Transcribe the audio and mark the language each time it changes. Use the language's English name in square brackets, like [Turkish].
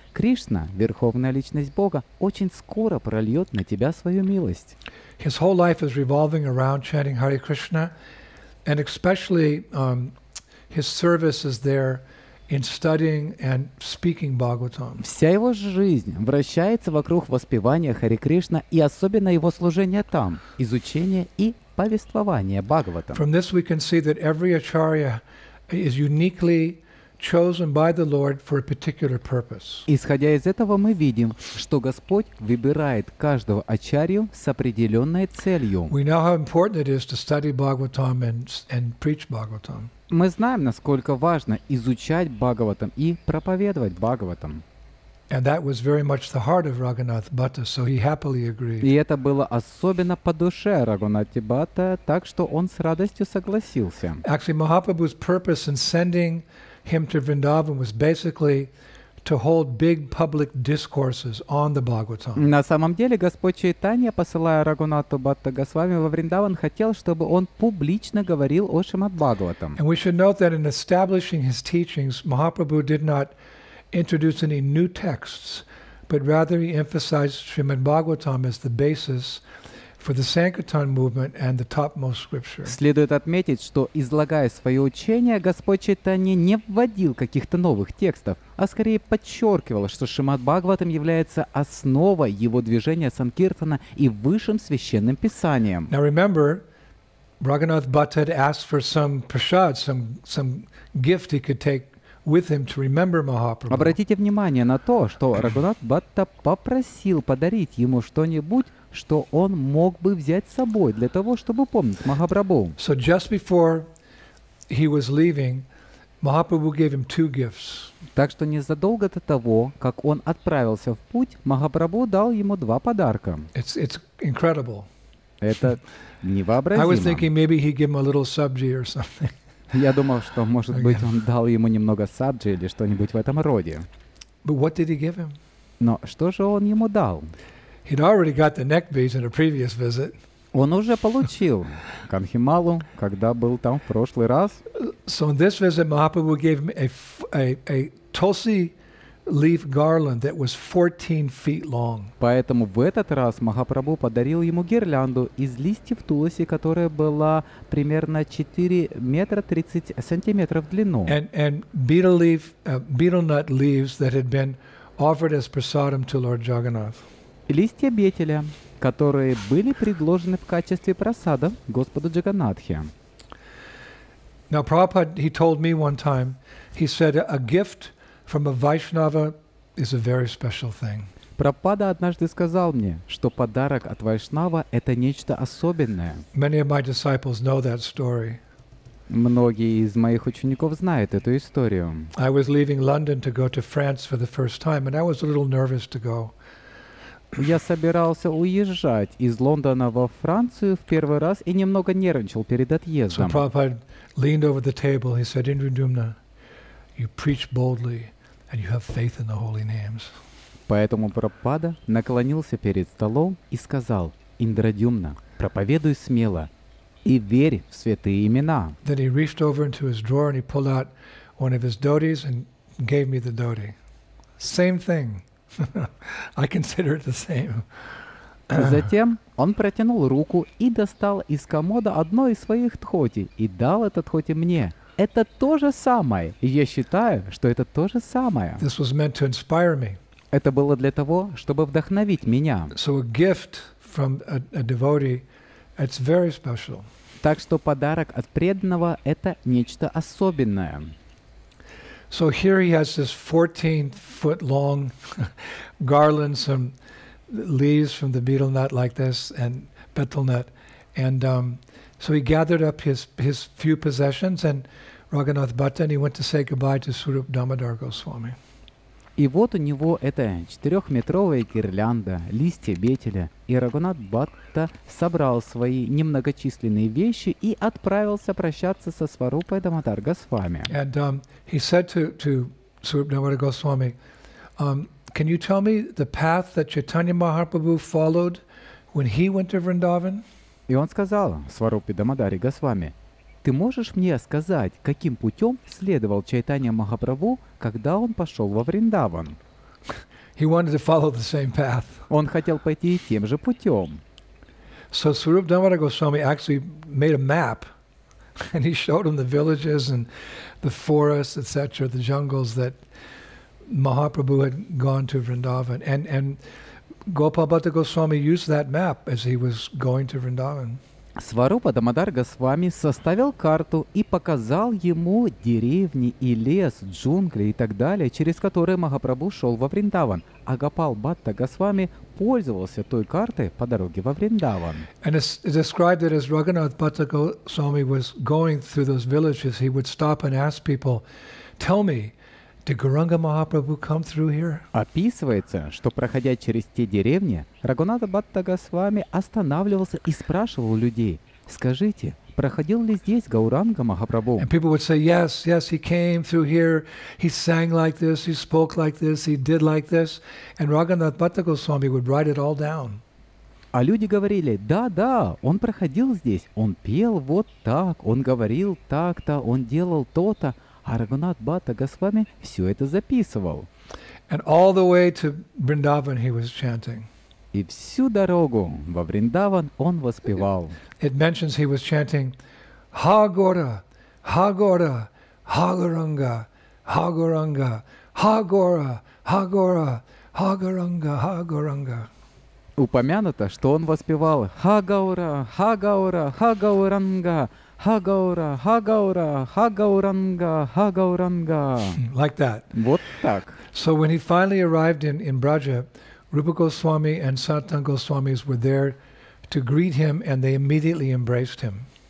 [Russian] Кришна, Верховная Личность Бога, очень скоро прольет на тебя свою милость. [English] His whole life is revolving around chanting Hare Krishna, and especially his service is there in studying and speaking Bhagavatam. [Russian] Вся его жизнь вращается вокруг воспевания Хари Кришна и особенно его служение там, изучение и повествование Бхагаватам. [English] From this we can see that every acharya is uniquely chosen by the Lord for a particular purpose. [Russian] Исходя из этого мы видим, что Господь выбирает каждого ачарью с определенной целью. [English] We know how important it is to study Bhagavatam and preach Bhagavatam. [Russian] Мы знаем, насколько важно изучать Бхагаватам и проповедовать Бхагаватам. [English] And that was very much the heart of Raghunath Bhatta, so he happily agreed. [Russian] И это было особенно по душе Рагунати Бхатта, так что он с радостью согласился. [English] Actually, Mahaprabhu's purpose in sending him to Vrindavan was basically to hold big public discourses on the Bhagavatam. [Russian] На самом деле, Господь Чайтанья, посылая Рагунату Бхатта Госвами во Вриндаван, хотел, чтобы он публично говорил о Шримад Бхагаватам. [English] And we should note that in establishing his teachings, Mahaprabhu did not introduce any new texts, but rather he emphasized Shrimad Bhagavatam as the basis for the Sankirtan movement and the topmost scripture. [Russian] Следует отметить, что излагая свое учение, Господь Чайтанья не вводил каких-то новых текстов, а скорее подчеркивал, что Шримад Бхагаватам является основой его движения Санкиртана и высшим священным писанием. [English] Now remember, Raghunath Bhatta had asked for some prasad, some gift he could take with him to remember Mahaprabhu. [Russian] Обратите внимание на то, что Рагунат Бхатта попросил подарить ему что-нибудь, что он мог бы взять с собой для того, чтобы помнить Махапрабху. [English] So just before he was leaving, Mahaprabhu gave him two gifts. [Russian] Так что незадолго до того, как он отправился в путь, Махапрабху дал ему два подарка. [English] It's incredible. [Russian] Это невообразимо. [English] I was thinking maybe he gave him a little sabji or something. [Russian] Я думал, что, может быть, он дал ему немного саджи или что-нибудь в этом роде. [English] But what did he give him? [Russian] Но что же он ему дал? [English] He'd already got the neck beads in a previous visit. [Russian] Он уже получил канхималу, когда был там в прошлый раз. [English] So on this visit, Mahaprabhu gave him a tulsi leaf garland that was 14 feet long. [Russian] Поэтому в этот раз Махапрабху подарил ему гирлянду из листьев туласи, которая была примерно 4 метра 30 сантиметров в длину. [English] And betel nut leaves that had been offered as prasadam to Lord Jagannath. [Russian] Листья бетеля, которые были предложены в качестве прасада Господу Джаганнатхе. [English] Now Prabhupada, he told me one time, he said a gift from a Vaishnava is a very special thing. [Russian] Прабхупада однажды сказал мне, что подарок от Вайшнава – это нечто особенное. [English] Many of my disciples know that story. [Russian] Многие из моих учеников знают эту историю. [English] I was leaving London to go to France for the first time, and I was a little nervous to go. [Russian] Я собирался уезжать из Лондона во Францию в первый раз и немного нервничал перед отъездом. [English] So Prabhupada leaned over the table. He said, "Indradyumna, you preach boldly, and you have faith in the holy names." [Russian] Поэтому Прабхупада наклонился перед столом и сказал: "Индрадьюмна, проповедуй смело и верь в святые имена." [English] Then he reached over into his drawer and he pulled out one of his dhotis and gave me the dhoti. Same thing. I consider it the same. [Russian] Затем он протянул руку и достал из комода одно из своих тхоти и дал это тхоти мне. Это то же самое. Я считаю, что это то же самое. [English] This was meant to inspire me. [Russian] Это было для того, чтобы вдохновить меня. [English] So a gift from a devotee, it's very special. [Russian] Так что подарок от преданного – это нечто особенное. [English] So here he has this 14-foot-long garland, some leaves from the betel nut like this, and betel nut. And so he gathered up his few possessions and Raghunath Bhatta, and he went to say goodbye to Surup Damodar Goswami. [Russian] И вот у него эта 4-метровая гирлянда, листья бетеля, и Рагунат Бхатта собрал свои немногочисленные вещи и отправился прощаться со Сварупой Дамодар Госвами. [English] And he said to Surup Damodar Goswami, can you tell me the path that Chaitanya Mahaprabhu followed when he went to Vrindavan? [Russian] И он сказал Сварупе Дамодаре Госвами, ты можешь мне сказать, каким путем следовал Чайтанья Махапрабху, когда он пошел во Вриндаван? [English] He wanted to follow the same path. [Russian] Он хотел пойти тем же путем. [English] So Surup Damodar Goswami actually made a map, and he showed him the villages and the forests, etc., the jungles that Mahaprabhu had gone to Vrindavan. And Gopal Bhatta Goswami used that map as he was going to Vrindavan. [Russian] Сварупа Дамодар Госвами составил карту и показал ему деревни и лес, джунгли и так далее, через которые Махапрабху шел во Вриндаван. А Гопал Бхатта Госвами пользовался той картой по дороге во Вриндаван. [English] And it's described that as Raghunath Bhatta Goswami was going through those villages, he would stop and ask people, tell me, did Gauranga Mahaprabhu come through here? [Russian] Описывается, что проходя через те деревни, Рагунат Бхатта Госвами останавливался и спрашивал людей: скажите, Проходил ли здесь Гауранга Махапрабху? [English] And people would say, yes, yes, he came through here, he sang like this, he spoke like this, he did like this. And Raghunath Bhatta Goswami would write it all down. [Russian] А люди говорили, да-да, он проходил здесь, он пел вот так, он говорил так-то, он делал то-то. А Рагхунат Бхатта Госвами все это записывал. [English] And all the way to Vrindavan he was chanting. [Russian] И всю дорогу во Вриндаван он воспевал. [English] It mentions he was chanting Ha-Gora, Ha-Gora, Ha-Goranga, Ha-Goranga, Ha-Gora, Ha-Gora, Ha-Goranga, Ha-Goranga. [Russian] Упомянуто, что он воспевал Ха-Гаура, Ха-Гаура, Ха-Гауранга, Ха-Гаура, Ха-Гаура, Ха-Гауранга, Ха-Гауранга. [English] Like that. [Russian] Вот так. [English] So when he finally arrived in Braja, Rupa Goswami and Sanatan Goswamis were there to greet him and they immediately embraced him.